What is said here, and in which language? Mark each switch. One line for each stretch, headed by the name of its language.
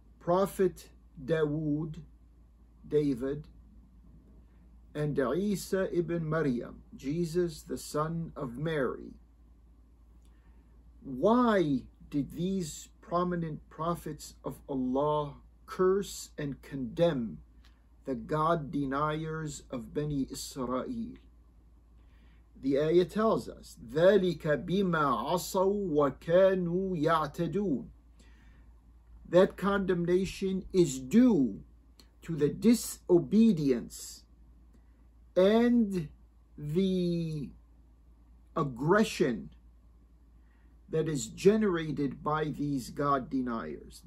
English: Prophet Dawood, David, and Isa ibn Maryam, Jesus, the son of Mary. Why did these prominent prophets of Allah curse and condemn the God deniers of Bani Israel? The ayah tells us,
Arabic: ذَلِكَ بِمَا عَصَوا وَكَانُوا يَعْتَدُونَ.
English: That condemnation is due to the disobedience and the aggression that is generated by these God deniers.